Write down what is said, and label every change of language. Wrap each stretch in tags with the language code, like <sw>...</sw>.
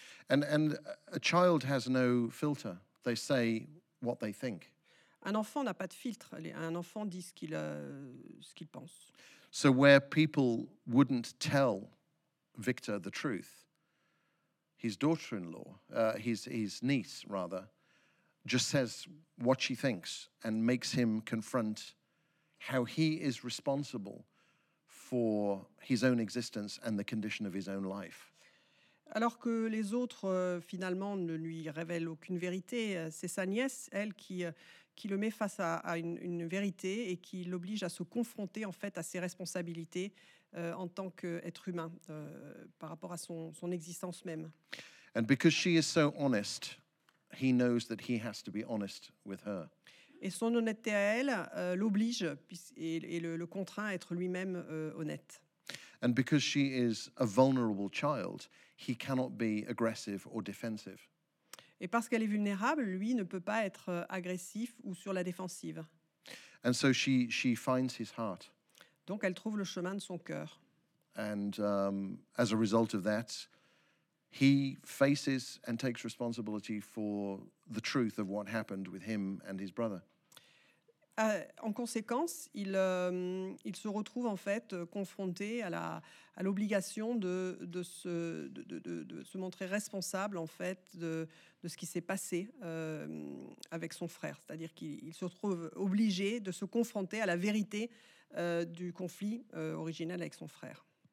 <en>And a child has no filter. They say what they think.</en> <fr>Un enfant n'a pas de filtre. Un enfant dit ce qu'il pense.</fr> <en>So where people wouldn't tell Victor the truth, his daughter-in-law, his niece rather, just says what she thinks and makes him confront how he is responsible for his own existence and the condition of his own life.</en> <fr>Alors que les autres, finalement, ne lui révèlent aucune vérité, c'est sa nièce, elle, qui le met face à une vérité et qui l'oblige à se confronter, en fait, à ses responsabilités en tant qu'être humain, par rapport à son existence même.</fr> <en>And because she is so honest, he knows that he has to be honest with her.</en> <fr>Et son honnêteté à elle l'oblige et le contraint à être lui-même honnête.</fr> <en>And because she is a vulnerable child, he cannot be aggressive or defensive.</en> <fr>Et parce qu'elle est vulnérable, lui ne peut pas être agressif ou sur la défensive.</fr> <en>And so she finds his heart.</en> <fr>Donc elle trouve le chemin de son cœur.</fr> <en>And as a result of that, he faces and takes responsibility for the truth of what happened with him and his brother.</en> <fr>En conséquence, il se retrouve en fait confronté à l'obligation de se montrer responsable en fait de ce qui s'est passé avec son frère. C'est-à-dire qu'il se retrouve obligé de se confronter à la vérité du conflit originel avec son frère.</fr>